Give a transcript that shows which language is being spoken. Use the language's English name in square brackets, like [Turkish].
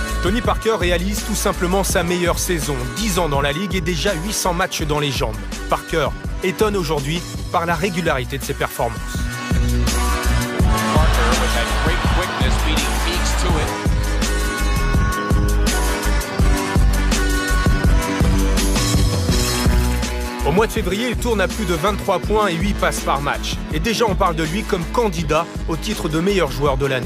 [French] Tony Parker réalise tout simplement sa meilleure saison, 10 ans dans la Ligue et déjà 800 matchs dans les jambes. Parker étonne aujourd'hui par la régularité de ses performances. [English] Parker, with that great quickness, beating Meeks to it. [French] Au mois de février, il tourne à plus de 23 points et 8 passes par match. Et déjà, on parle de lui comme candidat au titre de meilleur joueur de l'année.